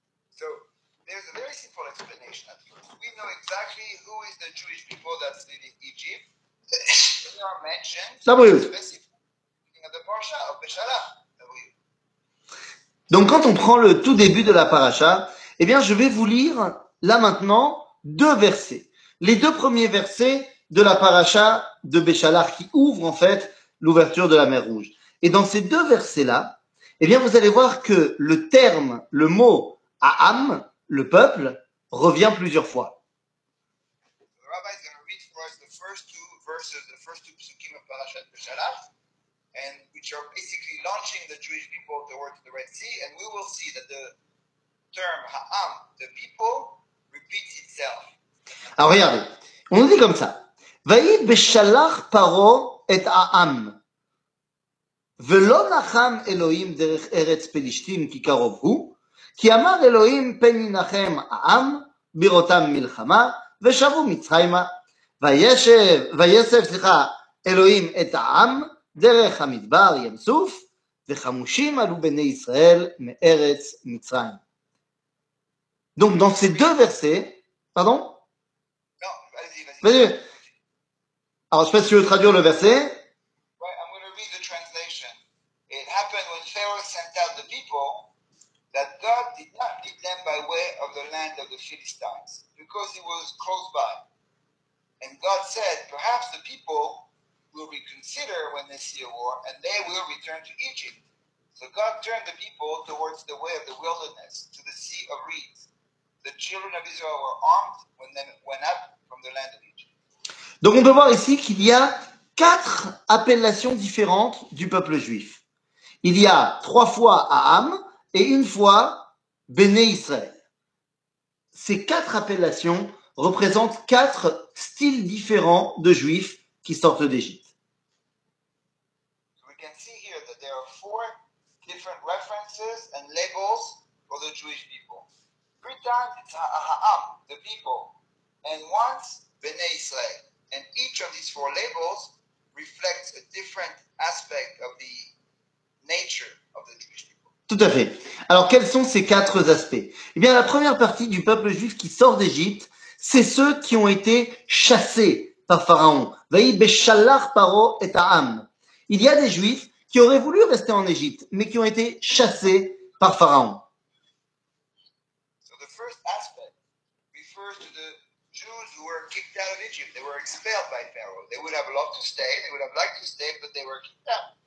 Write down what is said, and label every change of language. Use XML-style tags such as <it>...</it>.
<en>So, there's a very simple explanation at first. We know exactly who is the Jewish people that's leading Egypt. They are mentioned. Sabri. Looking at the parasha of Béchalar.</en> <fr>Donc, quand on prend le tout début de la paracha, eh bien, je vais vous lire, là maintenant, deux versets. Les deux premiers versets de la paracha de Béchalar qui ouvre, en fait, l'ouverture de la mer Rouge. Et dans ces deux versets-là, eh bien, vous allez voir que le terme, le mot « Aham », le peuple, revient plusieurs fois. Le rabbi va lire pour nous les deux versets, les deux psukim de la paracha de Béchalar.</fr> <en>And which are basically launching the Jewish people towards the Red Sea, and we will see that the term Ha'am, the people, repeats itself.</en> <fr>Alors regardez, on dit comme ça.</fr> <he>Vayi beshalach paro et Ha'am, velo nacham Elohim derech eretz pelishtim ki karov hu, ki amar Elohim pen yinachem Ha'am, birotam milchama, veshavu mitzhaima, vayesef Elohim et Ha'am, דרך המדבר ים סוף וחמושים עלו בני ישראל מארץ מצרים.</he> <fr>Donc dans ces deux versets, pardon? Non, vas-y. Alors je sais pas si tu veux traduire le verset.</fr> <en>Right, I'm going to read the translation. It happened when Pharaoh sent out the people that God did not lead them by way of the land of the Philistines because it was close by. And God said, perhaps the people will reconsider when they see a war, and they will return to Egypt. So God turned the people towards the way of the wilderness, to the Sea of Reeds. The children of Israel were armed when they went up from the land of Egypt.</en> <fr>Donc on peut voir ici qu'il y a quatre appellations différentes du peuple juif. Il y a trois fois Aham et une fois Béné Israël. Ces quatre appellations représentent quatre styles différents de juifs qui sortent d'Égypte.</fr> <en>We can see here that there are four different references and labels for the Jewish people. Three times it's Aham, the people, and once Béné Israël. And each of these four labels reflects a different aspect of the nature of the Jewish people.</en> <fr>Tout à fait. Alors, quels sont ces quatre aspects? Eh bien, la première partie du peuple juif qui sort d'Égypte, c'est ceux qui ont été chassés par Pharaon.</fr> <he>Vayi beshalar paro et ha'am.</he> <fr>Il y a des juifs qui auraient voulu rester en Égypte, mais qui ont été chassés par Pharaon.</fr> <en>So the first aspect refers to the Jews who were kicked out of Egypt. They were expelled by Pharaoh. They would have loved to stay, they would have liked to stay, but they were kicked out.</en>